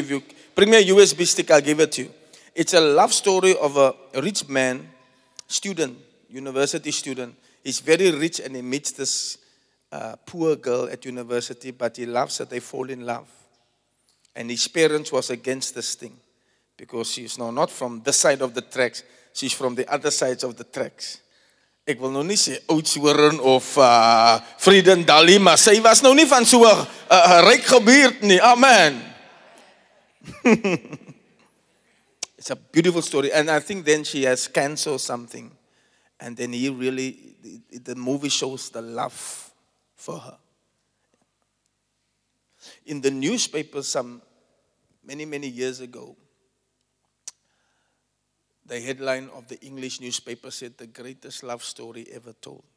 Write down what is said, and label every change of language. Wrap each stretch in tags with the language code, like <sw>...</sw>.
<en>If you bring me a USB stick, I'll give it to you. It's a love story of a rich man, student, university student. He's very rich and he meets this poor girl at university, but he loves her. They fall in love. And his parents was against this thing. Because she's not from this side of the tracks. She's from the other side of the tracks.</en> <af>Ek wil nou nie sê Oudtshoorn of Frieden Dali, maar sy was nou nie van so 'n ryk gebuurt nie. Amen.</af> <en>It's a beautiful story. And I think then she has cancer or something. And then he really, the movie shows the love for her. In the newspaper some many, many years ago, the headline of the English newspaper said the greatest love story ever told.</en>